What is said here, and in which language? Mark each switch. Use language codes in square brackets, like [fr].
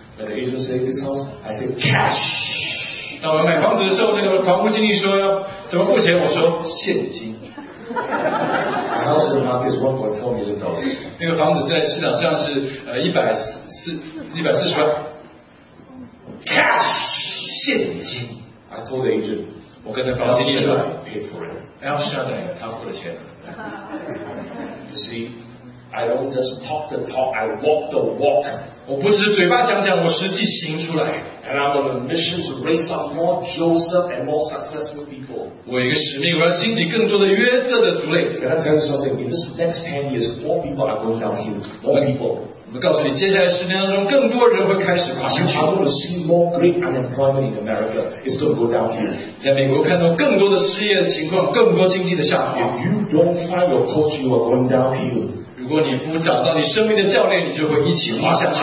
[en] When the agent said this house, I said cash. [zh] 当我买房子的时候，那个房屋经理说怎么付钱？我说现金。 [en] My house in the market is $1.4 million. [zh] 那个房子在市场上是140万。 [en] Cash, [zh] 现金。 [en] I told the agent, [zh] 我跟那房屋经理说 [en] paid for it. [zh] El Shaddai, 他付了钱。 [en] You see, I don't just talk the talk, I walk the walk. [zh] 我不是嘴巴讲讲，我实际行出来。 [en] And I'm on a mission to raise up more Joseph and more successful people. [zh] 我有一个使命，我要兴起更多的约瑟的族类。 [en] Can I tell you something? In this next 10 years, more people are going downhill. More people. [zh] 我告诉你，接下来十年当中，更多人会开始垮下去。 [en] I'm going to see more great unemployment in America. It's going to go downhill. [zh] 在美国看到更多的失业情况，更多经济的下滑。 [en] If you don't find your coach, you are going downhill. [zh] 如果你不找到你生命的教练，你就会一起垮下去。